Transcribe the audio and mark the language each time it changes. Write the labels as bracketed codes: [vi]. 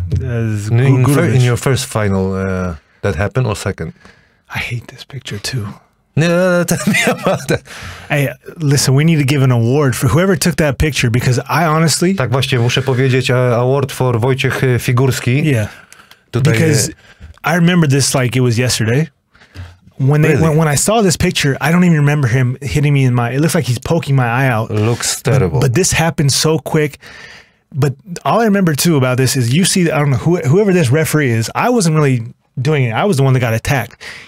[en] In your first final, that happened or second? I hate this picture too. No, tell me about that. Hey, listen, we need to give an award for whoever took that picture because I honestly... [pl] Tak właśnie, muszę powiedzieć, [en] award for [pl] Wojciech Figurski. [en] Yeah, tutaj, because... I remember this like it was yesterday. When I saw this picture, I don't even remember him hitting me in my... It looks like he's poking my eye out. Looks terrible. But this happened so quick. But all I remember too about this is you see, I don't know, whoever this referee is, I wasn't really doing it. I was the one that got attacked.